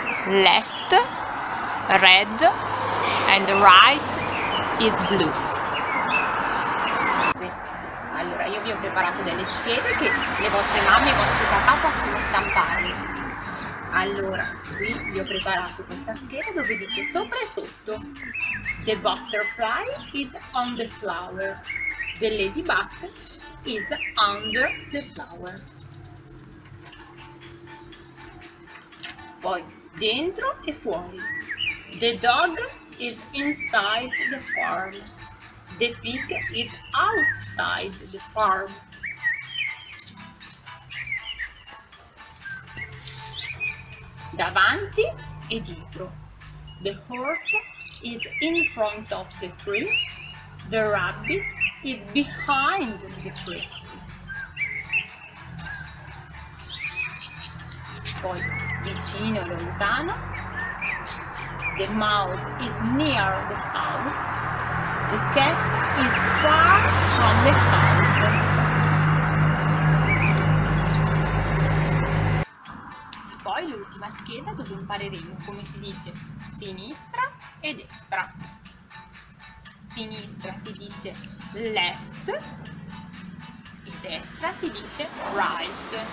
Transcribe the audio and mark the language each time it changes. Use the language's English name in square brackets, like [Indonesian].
[English] Left, red, and right is blue. [Italian] Allora, io vi ho preparato delle schede che le vostre mamme e i vostri papà possono stampare. Allora, qui vi ho preparato questa scheda dove dice sopra e sotto. [English] The butterfly is on the flower. The ladybug is under the flower. [Italian] Poi, dentro e fuori. [English] The dog is inside the farm. The pig is outside the farm. [Italian] Davanti e dietro. [English] The horse is in front of the tree. The rabbit is behind the tree. [Italian] Poi vicino, lontano. [English] The mouse is near the house. The cat is far from the house. [Italian] Poi l'ultima scheda dove impareremo come si dice sinistra e destra. Sinistra si dice left e destra si dice right.